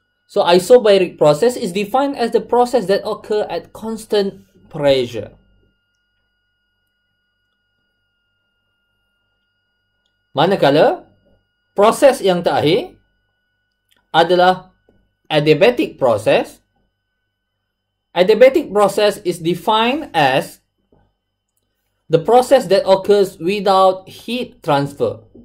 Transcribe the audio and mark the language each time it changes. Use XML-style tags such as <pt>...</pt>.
<en>So, isobaric process is defined as the process that occur at constant pressure.</en> <ms>Manakala, proses yang terakhir adalah adiabatic process.</ms> <en>Adiabatic process is defined as the process that occurs without heat transfer.</en>